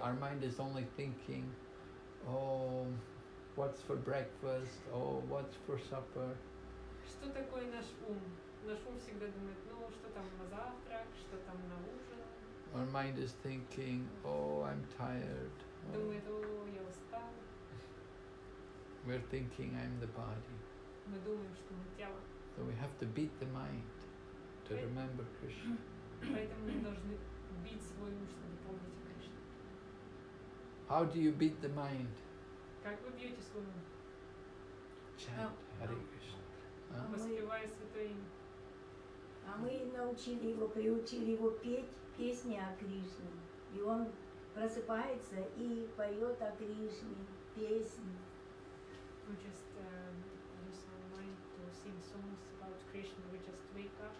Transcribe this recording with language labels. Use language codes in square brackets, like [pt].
[en] Our mind is only thinking, oh, what's for breakfast? Oh, what's for supper? [ru] Что такое наш ум? Наш ум всегда думает, ну что там на завтрак, что там на ужин? [en] Our mind is thinking, oh, I'm tired. [ru] Думает, о, я устал. [en] We're thinking, I'm the body. [ru] Мы думаем, что мы тело. [en] So we have to beat the mind to remember Krishna. [ru] Поэтому мы должны бить свой ум, чтобы помнить Кришну. [en] How do you beat the mind? [ru] Как вы бьете свой ум? [en] Chant Hare Krishna. [ru] Воспевая святое имя. А мы научили его, приучили его петь песни о Кришне. И он просыпается и поет о Кришне песни. [en] We just use our mind to sing songs about Krishna. We just wake